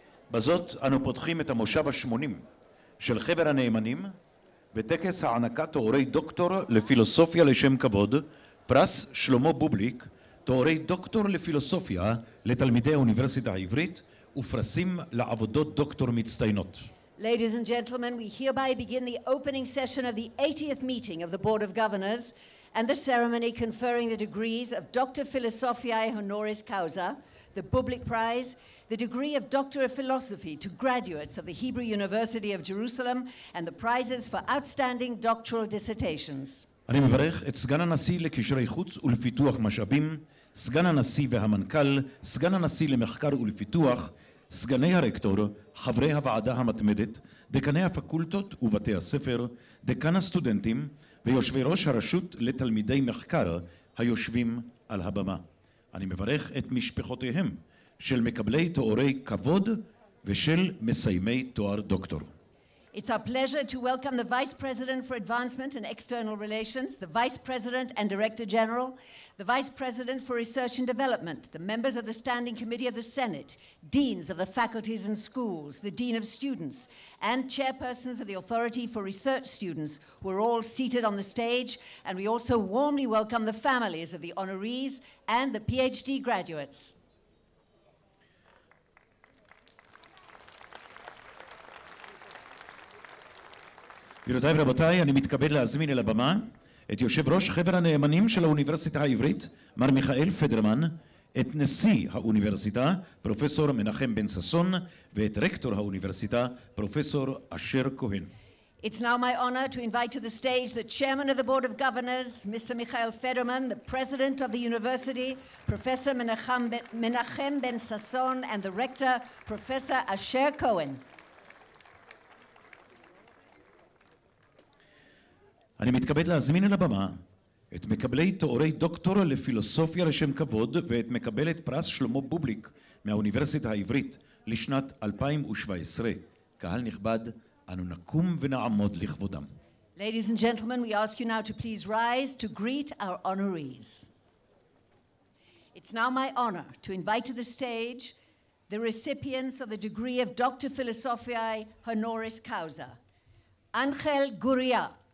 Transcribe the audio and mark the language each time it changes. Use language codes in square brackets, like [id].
[he] בזאת אנו פותחים את המושב ה-80 של חבר הנאמנים בטקס הענקת תוארי דוקטור לפילוסופיה לשם כבוד, פרס שלמה בובליק, תוארי דוקטור לפילוסופיה לתלמידי האוניברסיטה העברית ופרסים לעבודות דוקטור מצטיינות. [en] Ladies and gentlemen, we hereby begin the opening session of the 80th meeting of the Board of Governors and the ceremony conferring the degrees of Doctor Philosophiae Honoris Causa, the Bublik Prize, the degree of Doctor of Philosophy to graduates of the Hebrew University of Jerusalem, and the prizes for outstanding doctoral dissertations. [he] אני מברך את סגן הנשיא לקשרי חוץ ולפיתוח משאבים, סגן הנשיא והמנכ"ל, סגן הנשיא למחקר ולפיתוח, סגני הרקטור, חברי הוועדה המתמדת, דקני הפקולטות ובתי הספר, דקן הסטודנטים ויושבי ראש הרשות לתלמידי מחקר היושבים על הבמה. אני מברך את משפחותיהם של מקבלי תוארי כבוד ושל מסיימי תואר דוקטור. [en] It's our pleasure to welcome the Vice President for Advancement and External Relations, the Vice President and Director General, the Vice President for Research and Development, the members of the Standing Committee of the Senate, deans of the faculties and schools, the Dean of Students, and chairpersons of the Authority for Research Students, who are all seated on the stage, and we also warmly welcome the families of the honorees and the PhD graduates. [he] גבירותיי ורבותיי, אני מתכבד להזמין אל הבמה את יושב ראש חבר הנאמנים של האוניברסיטה העברית, מר מיכאל פדרמן, את נשיא האוניברסיטה, פרופסור מנחם בן ססון, ואת רקטור האוניברסיטה, פרופסור אשר כהן. [en] It's now my honor to invite to the stage the chairman of the Board of Governors, Mr. Mikhail Federman, the president of the university, Professor Menachem Ben Sasson, and the rector, Professor Asher Cohen. [he] אני מתכבד להזמין אל הבמה את מקבלי תוארי דוקטור לפילוסופיה לשם כבוד ואת מקבלת פרס שלמה בובליק מהאוניברסיטה העברית לשנת 2017. קהל נכבד, אנו נקום ונעמוד לכבודם. [en] Ladies and gentlemen, we ask you now to please rise to greet our honorees. It's now my honor to invite to the stage the recipients of the degree of Doctor Philosophiae Honoris Causa. Angel Guria.